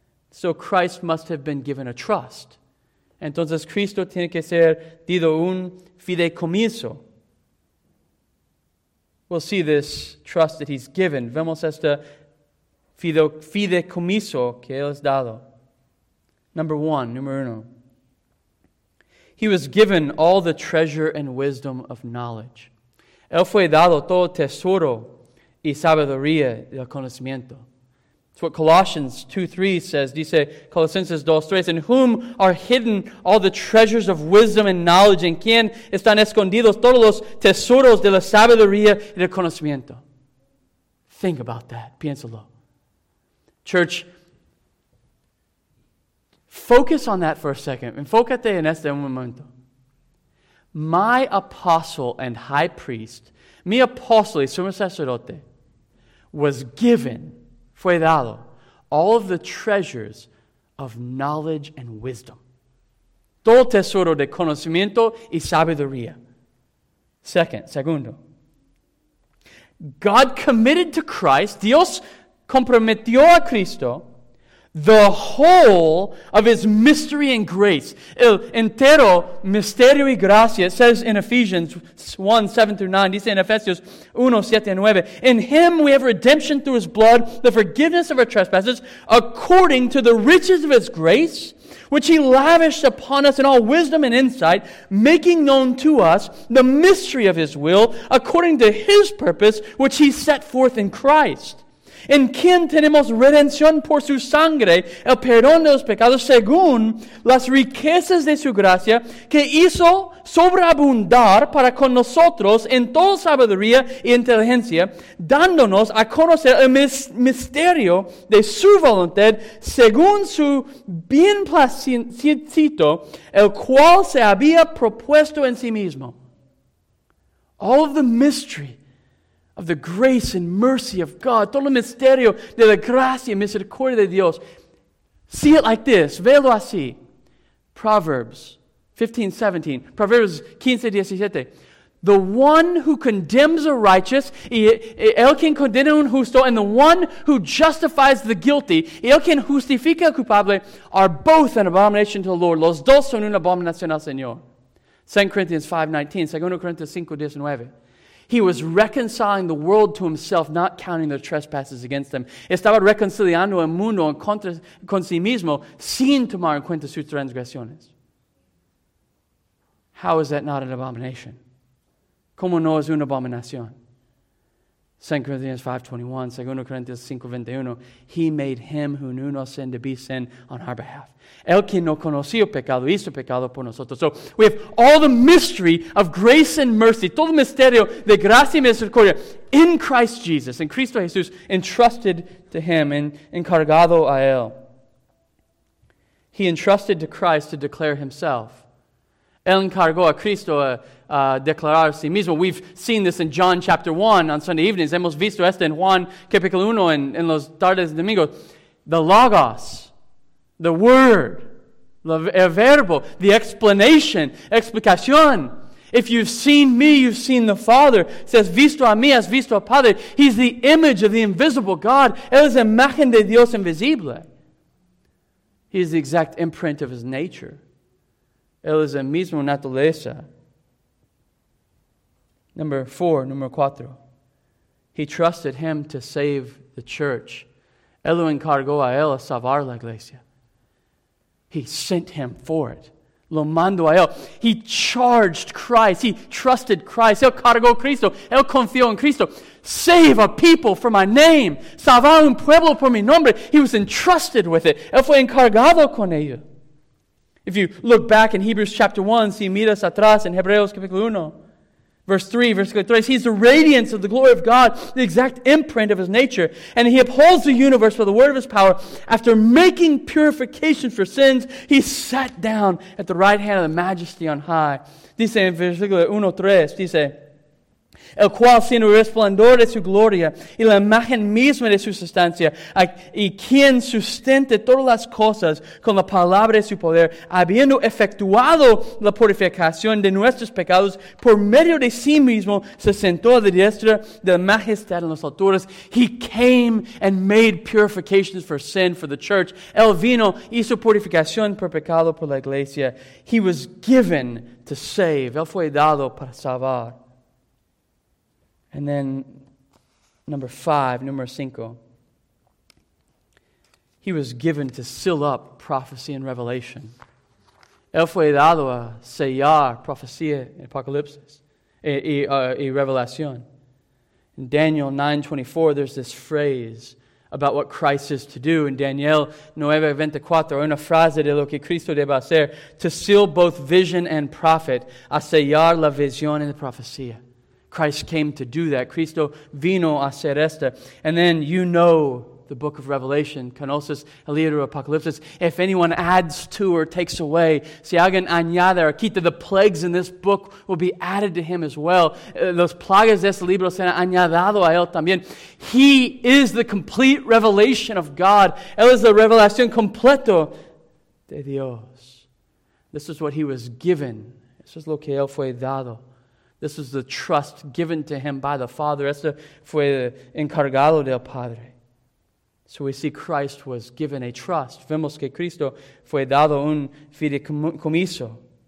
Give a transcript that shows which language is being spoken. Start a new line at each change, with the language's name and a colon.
English: So Christ must have been given a trust.
Spanish: Entonces Cristo tiene que ser dado un fideicomiso.
English: We'll see this trust that he's given.
Spanish: Vemos este fideicomiso que él es dado. Número uno.
English: He was given all the treasure and wisdom of knowledge.
Spanish: Él fue dado todo tesoro y sabiduría y conocimiento.
English: It's what Colossians 2:3 says.
Spanish: Dice Colosenses 2:3,
English: in whom are hidden all the treasures of wisdom and knowledge,
Spanish: en quien están escondidos todos los tesoros de la sabiduría y del conocimiento.
English: Think about that.
Spanish: Piénsalo.
English: Church, focus on that for a second.
Spanish: Enfócate en este momento.
English: My apostle and high priest,
Spanish: mi apóstol y sumo sacerdote,
English: was given,
Spanish: fue dado,
English: all of the treasures of knowledge and wisdom.
Spanish: Todo tesoro de conocimiento y sabiduría. Segundo.
English: God committed to Christ,
Spanish: Dios comprometió a Cristo,
English: the whole of his mystery and grace.
Spanish: El entero misterio y gracia.
English: It says in Ephesians 1, 7 through 9.
Spanish: Dice en Efesios
English: 1, 7 and 9. In him we have redemption through his blood, the forgiveness of our trespasses, according to the riches of his grace, which he lavished upon us in all wisdom and insight, making known to us the mystery of his will, according to his purpose, which he set forth in Christ.
Spanish: En quien tenemos redención por su sangre, el perdón de los pecados, según las riquezas de su gracia, que hizo sobreabundar para con nosotros en toda sabiduría y inteligencia, dándonos a conocer el misterio de su voluntad, según su bien placido, el cual se había propuesto en sí mismo.
English: All of the mystery of the grace and mercy of God.
Spanish: Todo el misterio de la gracia y misericordia de Dios.
English: See it like this.
Spanish: Velo así.
English: Proverbs 15, 17. Proverbs 15, 17. The one who condemns a righteous,
Spanish: el quien condena un justo,
English: and the one who justifies the guilty,
Spanish: el quien justifica el culpable,
English: are both an abomination to the Lord.
Spanish: Los dos son una abominación al Señor.
English: 2 Corinthians 5, 19. 2 Corinthians 5, 19. He was reconciling the world to himself, not counting their trespasses against them.
Spanish: Estaba reconciliando el mundo con sí mismo, sin tomar en cuenta sus transgresiones.
English: How is that not an abomination?
Spanish: ¿Cómo no es una abominación?
English: 2 Corinthians 5:21, 2 Corinthians 5:21, he made him who knew no sin to be sin on our behalf.
Spanish: El quien no conoció pecado hizo pecado por nosotros.
English: So we have all the mystery of grace and mercy,
Spanish: todo misterio de gracia y misericordia
English: in Christ Jesus, in Cristo Jesús, entrusted to him and
Spanish: encargado a él.
English: He entrusted to Christ to declare himself.
Spanish: Él encargó a Cristo a declarar a sí mismo.
English: We've seen this in John chapter 1 on Sunday evenings.
Spanish: Hemos visto esto en Juan capítulo 1 en los tardes de domingo.
English: The Logos, the Word, el Verbo, the explanation, explicación. If you've seen me, you've seen the Father. Says,
Spanish: visto a mí, has visto al Padre.
English: He's the image of the invisible God.
Spanish: Él es imagen de Dios invisible.
English: He is the exact imprint of his nature.
Spanish: Él es el mismo naturaleza.
English: Number 4, number 4. He trusted him to save the church.
Spanish: Él lo encargó a él a salvar la iglesia.
English: He sent him for it.
Spanish: Lo mandó a él.
English: He charged Christ. He trusted Christ.
Spanish: Él cargó Cristo. Él confió en Cristo.
English: Save a people for my name.
Spanish: Salvar un pueblo por mi nombre.
English: He was entrusted with it.
Spanish: Él fue encargado con ello.
English: If you look back in Hebrews chapter 1,
Spanish: si miras atrás en Hebreos capítulo 1,
English: verse 3, he's the radiance of the glory of God, the exact imprint of his nature, and he upholds the universe by the word of his power. After making purification for sins, he sat down at the right hand of the majesty on high.
Spanish: Dice en versículo 1, 3, dice, el cual siendo resplandor de su gloria y la imagen misma de su sustancia y quien sustente todas las cosas con la palabra de su poder, habiendo efectuado la purificación de nuestros pecados por medio de sí mismo, se sentó a la diestra de la majestad en las alturas.
English: He came and made purifications for sin for the church.
Spanish: El vino hizo purificación por pecado por la iglesia.
English: He was given to save.
Spanish: Él fue dado para salvar.
English: And then, number 5, number 5. He was given to seal up prophecy and revelation.
Spanish: Él fue dado a sellar profecía y apocalipsis y revelación.
English: In Daniel 9:24, there's this phrase about what Christ is to do. In Daniel 9:24,
Spanish: una frase de lo que Cristo debe hacer,
English: to seal both vision and prophet,
Spanish: a sellar la visión y la profecía.
English: Christ came to do that.
Spanish: Cristo vino a hacer esto.
English: And then you know the book of Revelation,
Spanish: conoces el libro de Apocalipsis.
English: If anyone adds to or takes away,
Spanish: si alguien añade o quita,
English: the plagues in this book will be added to him as well.
Spanish: Los plagas de este libro serán añadidos a él también.
English: He is the complete revelation of God.
Spanish: Él es la revelación completa de Dios.
English: This is what he was given. This is
Spanish: lo que él fue dado.
English: This is the trust given to him by the Father.
Spanish: Este fue encargado del Padre.
English: So we see Christ was given a trust.
Spanish: Vemos que Cristo fue dado un fideicomiso.